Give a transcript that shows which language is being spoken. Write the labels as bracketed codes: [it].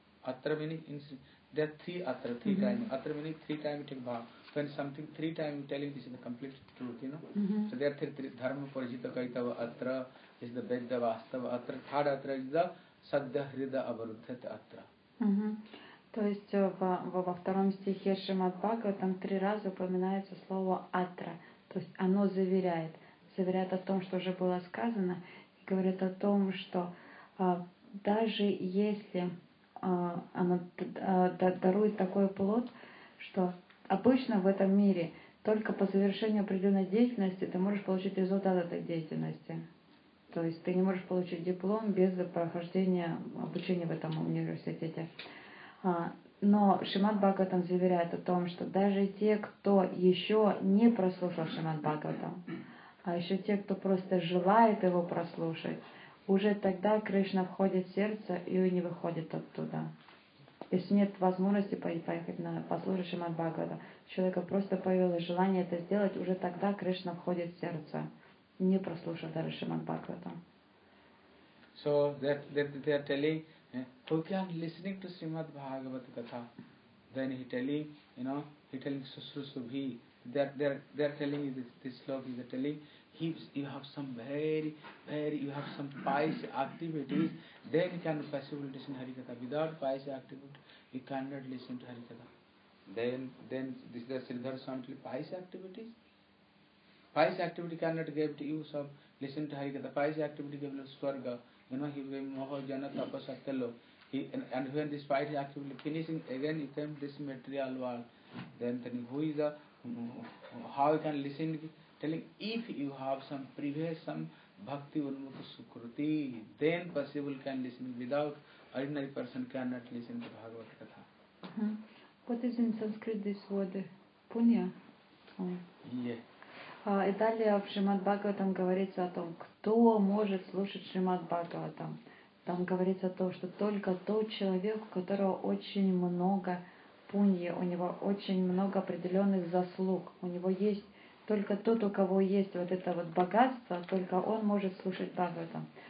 [en] Atra meaning inside. There are three atra, three times. Atra meaning three times take bhav. When something three times telling, this is the complete truth, you know. So there are three dharma parijita kaitava atra, this is the Vedya Vastava atra, third atra is the Садья Хрида Абарудхата Атра. [ru] То есть во втором стихе Шримад Бхагаватам три раза упоминается слово Атра. То есть оно заверяет. Заверяет о том, что уже было сказано. И говорит о том, что даже если оно дарует такой плод, что обычно в этом мире только по завершению определенной деятельности ты можешь получить результат этой деятельности. То есть ты не можешь получить диплом без прохождения обучения в этом университете. Но Шримад Бхагаватам заверяет о том, что даже те, кто еще не прослушал Шримад Бхагаватам, а еще те, кто просто желает его прослушать, уже тогда Кришна входит в сердце и не выходит оттуда. Если нет возможности поехать на послушать Шримад Бхагаватам, у человека просто появилось желание это сделать, уже тогда Кришна входит в сердце. Не прослушав даже Шримад Бхагаватам. [en] So they are telling, who can listening to Srimad Bhagavata Katha? Then he telling, you know, he telling Susru Subhi, they are telling this slog, he is telling, you have some you have some pious activities, then you can possibly listen to Harikatha. Without pious activity, you cannot listen to Harikatha. Then this is the Siddhar Swami, pious activities? Pious activity cannot give to you some listen to Harikatha. Pious activity gave swarga. You know, he gave moha jana tapasatello. And when this pious activity finishing, again you came to this material world. Then who is the, how you can listen? Telling, if you have some previous, some bhakti unmukha sukruti, then possible can listen. Without ordinary person cannot listen to Bhagavad Katha. What is in Sanskrit this word? Punya? Yeah. [ru] И далее в Шримад Бхагаватам говорится о том, кто может слушать Шримад Бхагаватам. Там говорится о том, что только тот человек, у которого очень много пуньи, у него очень много определенных заслуг, у него есть только тот, у кого есть вот это вот богатство, только он может слушать Бхагаватам.